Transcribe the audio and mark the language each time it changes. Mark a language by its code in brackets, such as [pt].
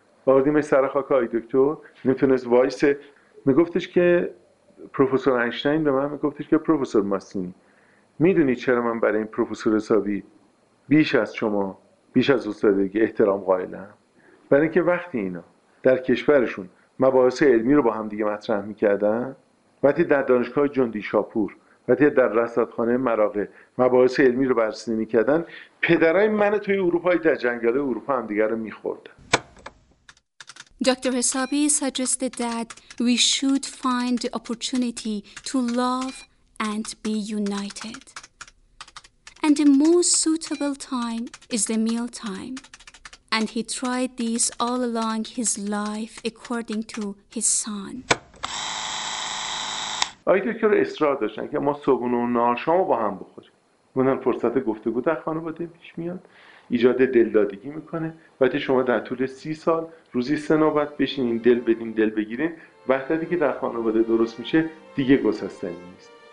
[fa] آوردیم سر خاک آی دکتر، نمیتونست وایسه. میگفتش که پروفسور اینشتین به من میگفتش که پروفسور ماسینی، میدونی چرا من برای این پروفسور حسابی بیش از شما، بیش از استادی که احترام قائلم؟ برای اینکه وقتی اینا در کشورشون مباحث علمی رو با هم دیگه مطرح میکردن، وقتی در دانشگاه جندی شاپور، وقتی در رصدخانه مراغه مباحث علمی رو بررسی میکردن، پدرای من توی اروپای در جنگل اروپا هم دیگه رو میخوردن. [en] Dr. Hesabi suggested that we should find the opportunity to love and be united. And the most suitable time is the meal time. And he tried this all along his life according to his son. [fa] آقای دکتر اصرار داشتن که ما صبحونه و نهارشام رو با هم بخوریم. اونم فرصت گفتگو در خانواده پیش میاد، ایجاد دلدادگی میکنه. وقتی شما در طول 30 سال روزی 3 نوبت بشینین دل بدین دل بگیرین، وحدتی که در خانواده درست میشه دیگه گسستنی نیست.